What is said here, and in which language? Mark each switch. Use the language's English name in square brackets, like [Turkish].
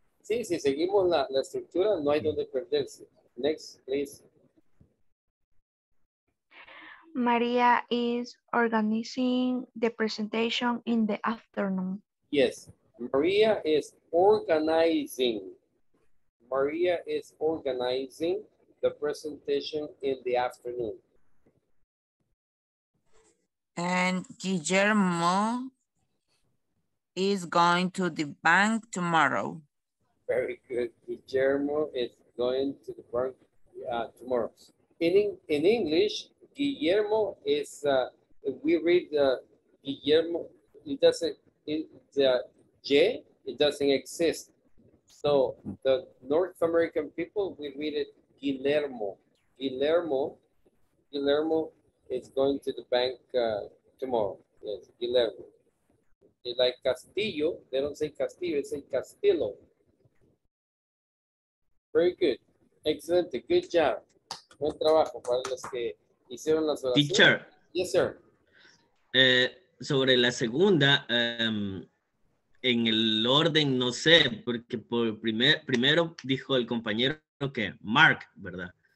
[Spanish] Sí, si seguimos la estructura, no hay donde perderse. [English] Next, please. Maria is organizing the presentation in the afternoon. Yes, Maria is organizing. Maria is organizing the presentation in the afternoon. And Guillermo is going to the bank tomorrow. Very good. Guillermo is going to the bank tomorrow. In English, Guillermo is, we read Guillermo, it doesn't, the J, it doesn't exist. So the North American people, we read it Guillermo. Guillermo is going to the bank tomorrow. Yes, Guillermo. Like Castillo, they don't say Castillo, they say Castillo. Very good. Excellent. Good job. [Spanish] Buen trabajo para los que hicieron las oraciones. [English] Teacher. Yes, sir. [Spanish] Sobre la segunda, en el orden, no sé, porque por primero dijo el compañero que okay, Mark, ¿verdad?